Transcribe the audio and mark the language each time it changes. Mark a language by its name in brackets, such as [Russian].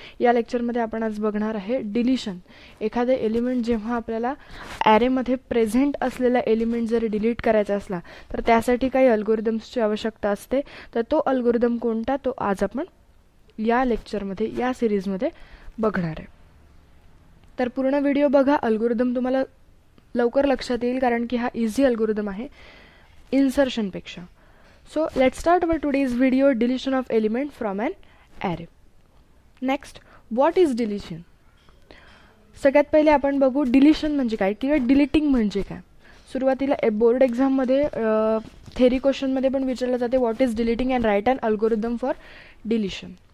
[Marathi] या लेक्चरमध्ये आपण आज बघणार आहे डिलिशन. एखादे एलिमेंट जेव्हा आपल्याला ॲरेमध्ये प्रेझेंट असलेला एलिमेंट जर डिलीट करायचा असला तर त्यासाठी काही अल्गोरिदम्सची आवश्यकता असते. तर तो अल्गोरिदम कोणता तो आज आपण या लेक्चरमध्ये या सिरीजमध्ये बघणार आहे. तर पूर्ण व्हिडिओ बघा, अल्गोरिदम तुम्हाला लवकर लक्षात येईल कारण की हा इझी अल्गोरिदम आहे इन्सर्शनपेक्षा. [English] So let's start our today's video, deletion of element from an array. Next, what is deletion? [Marathi] सगळ्यात पहिले आपण बघू डिलिशन म्हणजे काय किंवा डिलिटिंग म्हणजे काय. सुरुवातीला बोर्ड एक्झाममध्ये थेरी क्वेश्चनमध्ये पण विचारलं जाते [English] What is deleting and write and algorithm for deletion.